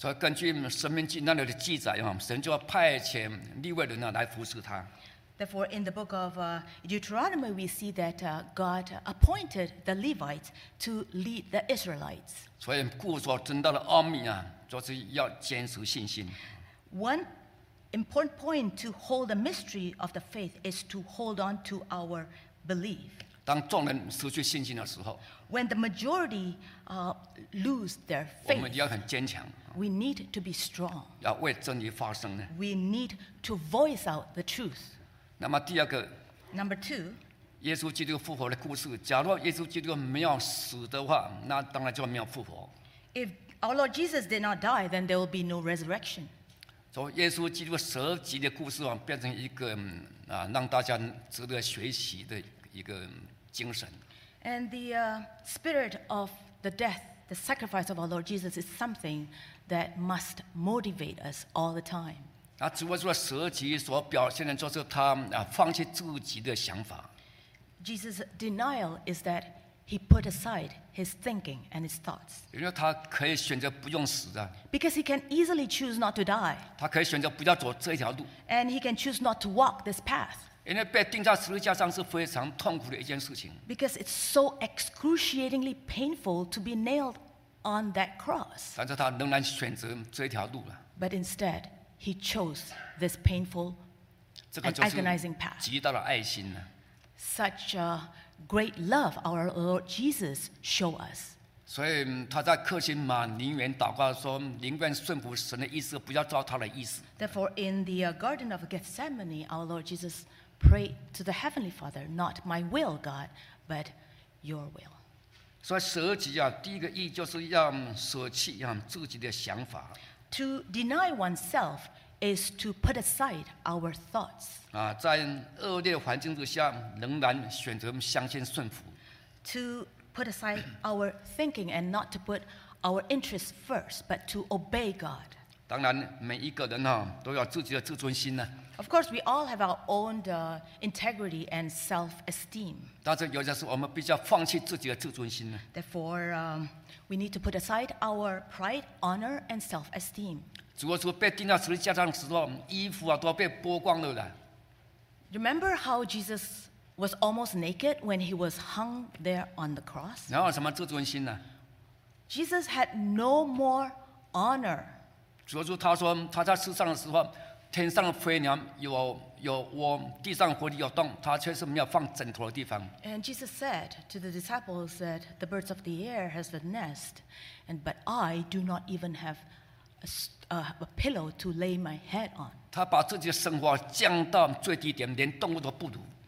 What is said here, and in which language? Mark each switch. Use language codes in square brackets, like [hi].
[zh] 所以根据《申命记》那里的记载，神就要派遣利未人来服侍他。 [en] Therefore, in the book of Deuteronomy, we see that God appointed the Levites to lead the Israelites. [zh] 所以故说真道的奥秘啊，就是要坚持信心。 [en] One important point to hold the mystery of the faith is to hold on to our belief. [zh] 当众人失去信心的时候 [en] ，When the majority lose their faith, [zh] 我们要很坚强。 [en] We need to be strong. [zh] 要为真理发声呢。 [en] We need to voice out the truth. [zh] 那么第二个 [en] ，Number two， [zh] 耶稣基督复活的故事。假如耶稣基督没有死的话，那当然就没有复活。 [en] If our Lord Jesus did not die, then there will be no resurrection. [zh] 所以耶稣基督舍己的故事啊，变成一个啊，让大家值得学习的一个精神。 [en] And the spirit of the death, the sacrifice of our Lord Jesus, is something that must motivate us all the time. [zh] 那主耶稣舍己所表现的，就是他啊放弃自己的想法。 [en] Jesus' denial is that he put aside his thinking and his thoughts. [zh] 因为他可以选择不用死啊。 [en] Because he can easily choose not to die. [zh] 他可以选择不要走这条路。 [en] And he can choose not to walk this path. [zh] 因为被钉在十字架上是非常痛苦的一件事情。 [en] Because it's so excruciatingly painful to be nailed on that cross. [zh] 但是他仍然选择这条路了。 [en] But instead, he chose this painful and agonizing path. [zh] 这个就是极大的爱心啊。 [en] Such a great love our Lord Jesus showed us. [zh] 所以他在克西马尼园祷告说：“宁愿顺服神的意思，不要照他的意思。” [en] Therefore, in the Garden of Gethsemane, our Lord Jesus prayed to the Heavenly Father, "Not my will, God, but Your will." [zh] 所以舍己啊，第一个意就是要舍弃啊自己的想法。 [en] To deny oneself is to put aside our thoughts. [zh] 啊，在恶劣的环境之下，仍然选择相信顺服。 [en] To put aside our thinking and not to put our interests first, but to obey God. [zh] 当然，每一个人哈都有自己的自尊心呢。 [en] Of course, we all have our own integrity and self-esteem. [zh] 但是有些时候，我们必须要放弃自己的自尊心呢。 [en] Therefore, we need to put aside our pride, honor, and self-esteem. [zh] 主耶稣被钉在十字架上的时候，衣服啊都被剥光了。 [en] Remember how Jesus was almost naked when he was hung there on the cross? [zh] 然后什么自尊心呢 [en] ？Jesus had no more honor. [zh] 主耶稣他说他在世上的时候。天上飞鸟有窝，地上火里有洞，他却是没有放枕头的地方。 [en] And Jesus said to the disciples that the birds of the air has the nest, and but I do not even have a pillow to lay my head on. [zh] 他把自己的生活降到最低点，连动物都不如。